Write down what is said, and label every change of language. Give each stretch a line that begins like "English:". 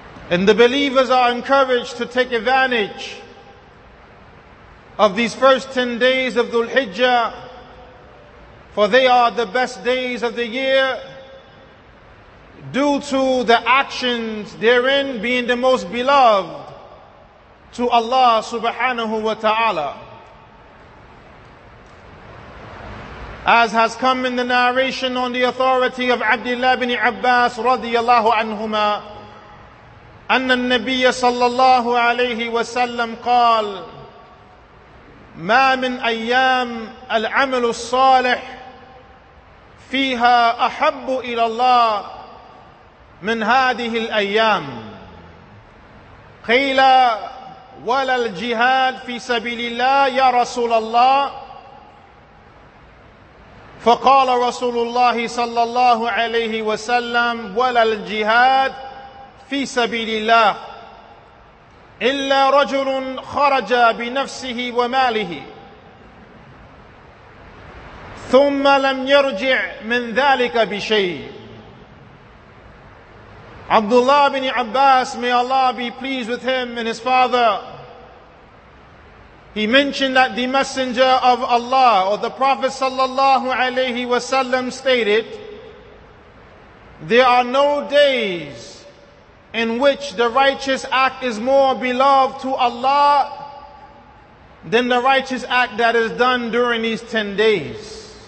English: And the believers are encouraged to take advantage of these first 10 days of Dhul Hijjah, for they are the best days of the year due to the actions therein being the most beloved to Allah subhanahu wa ta'ala. As has come in the narration on the authority of Abdullah ibn Abbas radiyallahu anhuma,
Arabic: أن النبي صلى الله عليه وسلم قال ما من أيام العمل الصالح فيها أحب إلى الله من هذه الأيام قيل ولا الجهاد في سبيل الله يا رسول الله فقال رسول الله صلى الله عليه وسلم ولا الجهاد في سبيل الله إلا رجل خرج بنفسه وماله ثم لم يرجع من ذلك بشيء.
English: Abdullah ibn Abbas, may Allah be pleased with him and his father, he mentioned that the Messenger of Allah or the Prophet sallallahu alayhi wasallam stated, there are no days in which the righteous act is more beloved to Allah than the righteous act that is done during these 10 days.